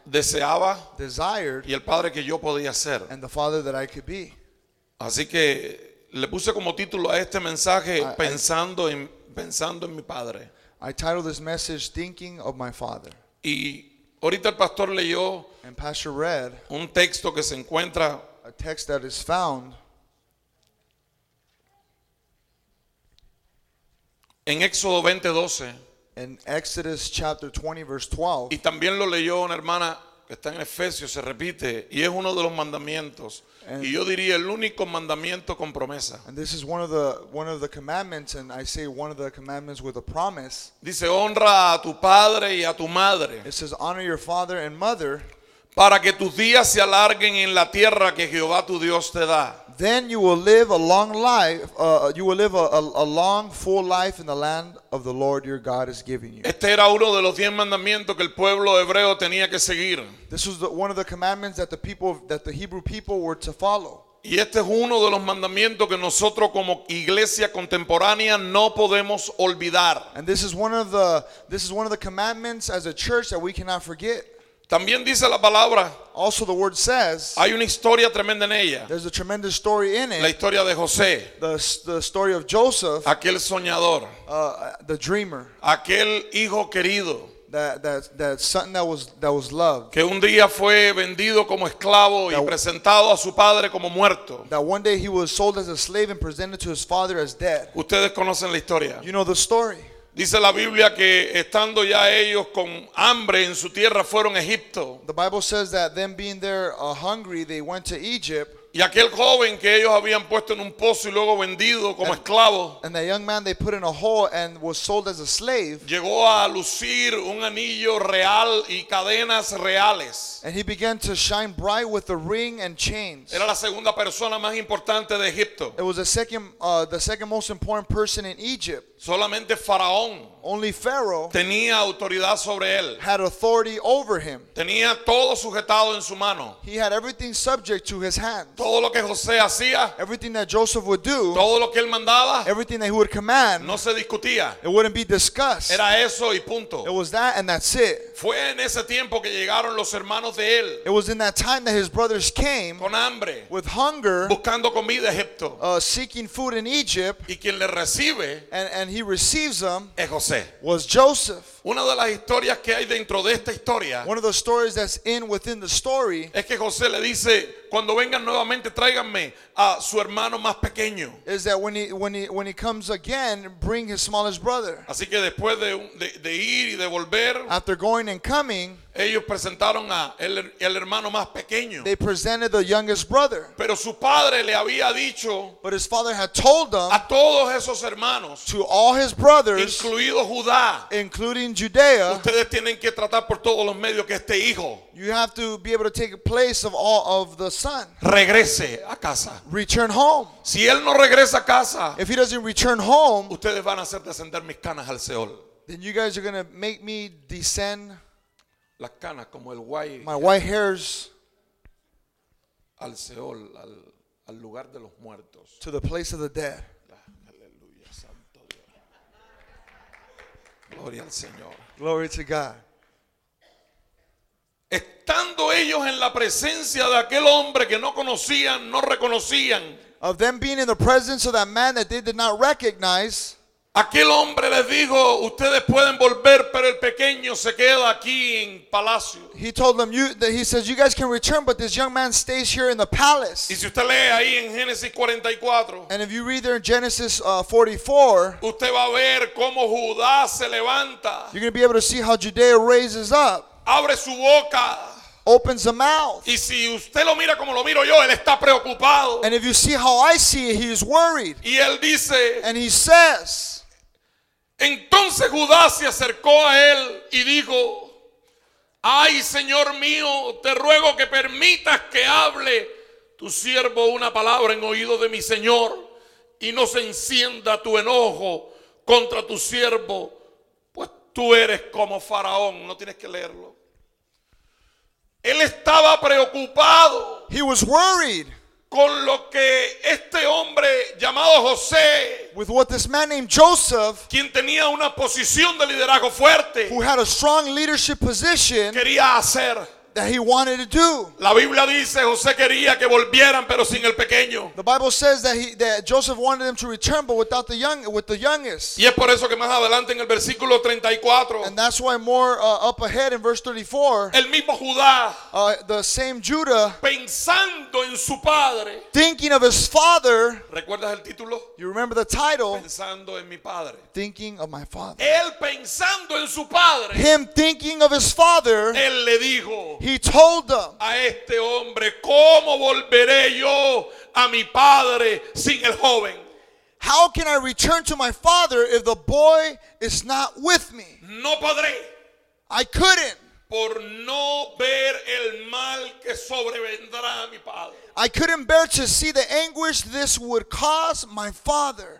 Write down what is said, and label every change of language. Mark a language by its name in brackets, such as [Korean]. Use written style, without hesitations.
[Spanish] deseaba, [English] desired, [Spanish] y el padre que yo podía ser. [English] And the father that I could be. [Spanish] Así que le puse como título a este mensaje pensando en mi padre. [English] I titled this message Thinking of My Father. [Spanish] Y ahorita el pastor leyó [English] and Pastor read [Spanish] un texto que se encuentra [English] a text that is found [Spanish] en Éxodo 20:12. [English] In Exodus chapter 20 verse 12. [Spanish] Y también lo leyó una hermana que está en Efesios, se repite, y es uno de los mandamientos. Y yo diría el único mandamiento con promesa. [English] And this is one of the commandments, and I say one of the commandments with a promise. [Spanish] Dice, honra a tu padre y a tu madre. [English] It says, honor your father and mother. [Spanish] Para que tus días se alarguen en la tierra que Jehová tu Dios te da. [English] Then you will live a long life. You will live a long, full life in the land of the Lord your God is giving you. [Spanish] Este era uno de los 10 mandamientos que el pueblo hebreo tenía que seguir. [English] This was one of the commandments that the Hebrew people were to follow. [Spanish] Y este es uno de los mandamientos que nosotros como iglesia contemporánea no podemos olvidar. [English] And this is one of the commandments as a church that we cannot forget. [Spanish] También dice la palabra. [English] Also the word says. [Spanish] Hay una historia tremenda en ella. [English] There's a tremendous story in it. [Spanish] La historia de José. [English] The story of Joseph. [Spanish] Aquel soñador. [English] The dreamer. [Spanish] Aquel hijo querido. [English] That son that was loved. [Spanish] Que un día fue vendido como esclavo y presentado a su padre como muerto. [English] That one day he was sold as a slave and presented to his father as dead. [Spanish] Ustedes conocen la historia. [English] You know the story. [Spanish] Dice la Biblia que estando ya ellos con hambre en su tierra fueron a Egipto. [English] The Bible says that them being there hungry, they went to Egypt. [Spanish] Y aquel joven que ellos habían puesto en un pozo y luego vendido como esclavo. [English] And that young man they put in a hole and was sold as a slave. [Spanish] Llegó a lucir un anillo real y cadenas reales. [English] And he began to shine bright with the ring and chains. [Spanish] Era la segunda persona más importante de Egipto. [English] It was the second most important person in Egypt. [Spanish] Solamente Faraón. [English] Only Pharaoh [Spanish] tenía autoridad sobre él. [English] Had authority over him. [Spanish] Tenía todo sujetado en su mano. [English] He had everything subject to his hands. [Spanish] Todo lo que José hacía, [English] everything that Joseph would do, [Spanish] todo lo que él mandaba, [English] everything that he would command, [Spanish] no se discutía. [English] It wouldn't be discussed. [Spanish] Era eso y punto. [English] It was that and that's it. [Spanish] Fue en ese tiempo que llegaron los hermanos de él. [English] It was in that time that his brothers came [Spanish] con hambre, [English] with hunger, [Spanish] buscando comida en Egipto, [English] seeking food in Egypt. [Spanish] Y quien le recibe, [English] and he receives them, [Spanish] es José. [English] Was Joseph. [Spanish] Una de las historias que hay dentro de esta historia, [English] one of the stories that's in within the story, [Spanish] es que José le dice, cuando vengan nuevamente, tráiganme a su hermano más pequeño. [English] Is that when he comes again, bring his smallest brother. [Spanish] Así que después de ir y de volver, [English] after going and coming, [Spanish] ellos presentaron a el hermano más pequeño. [English] They presented the youngest brother. [Spanish] Pero su padre le había dicho, [English] but his father had told them, [Spanish] a todos esos hermanos, [English] to all his brothers, [Spanish] incluido Judá, [English] including Judea, [Spanish] ustedes tienen que tratar por todos los medios que este hijo, [English] you have to be able to take place of all of the son. [Spanish] Regrese a casa. [English] Return home. [Spanish] Si él no regresa a casa, [English] if he doesn't return home, [Spanish] ustedes van a hacer descender mis canas al Seol. [English] Then you guys are going to make me descend [Spanish] las canas como el guay, [English] my white hairs [Spanish] al Seol, al lugar de los muertos, [English] to the place of the dead. [Spanish] Aleluya, santo Dios. Gloria al Señor. [English] Glory to God. [Spanish] Estando ellos en la presencia de aquel hombre que no conocían, no reconocían, [English] of them being in the presence of that man that they did not recognize, [Spanish] aquel hombre les dijo, ustedes pueden volver, pero el pequeño se queda aquí en palacio. [English] He told them, he says, you guys can return, but this young man stays here in the palace. [Spanish] Y si usted lee ahí en Génesis 44, [English] and if you read there in Genesis 44, [Spanish] usted va a ver cómo Judá se levanta. [English] You're going to be able to see how Judea raises up. [Spanish] Abre su boca. [English] Opens the mouth. [Spanish] Y si usted lo mira como lo miro yo, él está preocupado. [English] And if you see how I see it, he is worried. [Spanish] Y él dice, [English] and he says, [Spanish] entonces Judá se acercó a él y dijo, ay, Señor mío, te ruego que permitas que hable tu siervo una palabra en oído de mi Señor, y no se encienda tu enojo contra tu siervo. Tú eres como Faraón, no tienes que leerlo. Él estaba preocupado. [English] He was worried. [Spanish] Con lo que este hombre llamado José, [English] with what this man named Joseph, [Spanish] quien tenía una posición de liderazgo fuerte, [English] who had a strong leadership position, [Spanish] quería hacer. [English] That he wanted to do. [Spanish] La Biblia dice José quería que volvieran, pero sin el pequeño. [English] The Bible says that that Joseph wanted them to return, but without the youngest. [Spanish] Y es por eso que más adelante en el versículo 34. [English] And that's why more up ahead in verse 34. [Spanish] El mismo Judá, [English] the same Judah, [Spanish] pensando en su padre, [English] thinking of his father. [Spanish] ¿Recuerdas el título? [English] You remember the title? [Spanish] Pensando en mi padre. [English] Thinking of my father. [Spanish] Él pensando en su padre. [English] Him thinking of his father. [Spanish] Él le dijo. [English] He told them, [Spanish] a este hombre, ¿cómo volveré yo a mi padre sin el joven? [English] How can I return to my father if the boy is not with me? [Spanish] No podré. [English] I couldn't. [Spanish] Por no ver el mal que sobrevendrá a mi padre. [English] I couldn't bear to see the anguish this would cause my father.